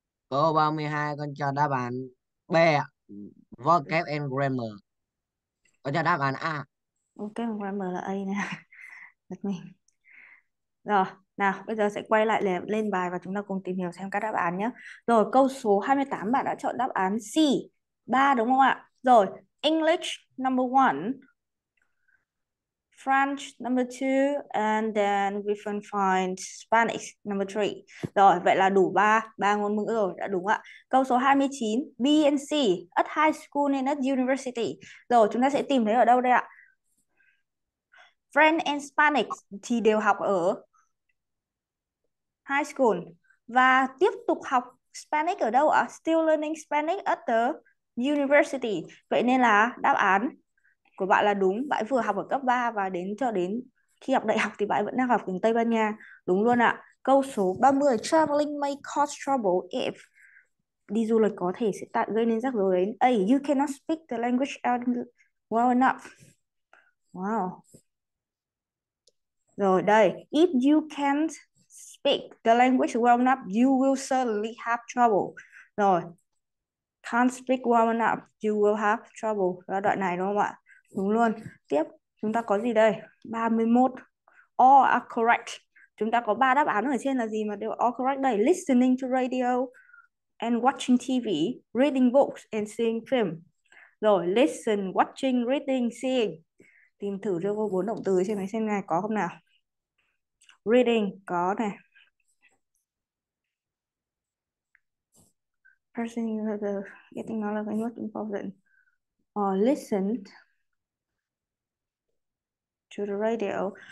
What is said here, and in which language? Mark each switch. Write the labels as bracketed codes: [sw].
[vi] Câu 32 con cho đáp án B ạ. [en] Vocab and grammar. [vi] Con cho đáp án A. Ok, grammar là A nè. Giật mình. Rồi, nào, bây giờ sẽ quay lại lên bài và chúng ta cùng tìm hiểu xem các đáp án nhé. Rồi, câu số 28 bạn đã chọn đáp án C, 3 đúng không ạ? [en] Rồi, English number 1, French number 2, and then we can find Spanish number 3. [vi] Rồi, vậy là đủ 3, 3 ngôn ngữ rồi, đã đúng ạ. Câu số 29, [en] B and C, at high school and at university. [vi] Rồi, chúng ta sẽ tìm thấy ở đâu đây ạ? French and Spanish thì đều học ở high school. Và tiếp tục học Spanish ở đâu ạ? [en] Still learning Spanish at the university. [vi] Vậy nên là đáp án của bạn là đúng. Bạn vừa học ở cấp 3 và đến cho đến khi học đại học thì bạn vẫn đang học tiếng Tây Ban Nha. Đúng luôn ạ. Câu số 30. [en] Traveling may cause trouble if... [vi] Đi du lịch có thể sẽ tạo gây nên rắc rối đấy. [en] A. You cannot speak the language well enough. Wow. [vi] Rồi đây, [en] if you can't speak the language well enough, you will certainly have trouble. Rồi, can't speak well enough, you will have trouble. [vi] Đó đoạn này đúng không ạ? Đúng luôn. Tiếp, chúng ta có gì đây? 31. [en] All are correct. [vi] Chúng ta có ba đáp án ở trên là gì mà đều all correct đây? [en] Listening to radio and watching TV, reading books and seeing film. Rồi, listen, watching, reading, seeing. [vi] Tìm thử cho cô bốn động từ trên này xem này có không nào. Reading có này. [en] Person getting all of listen to the radio.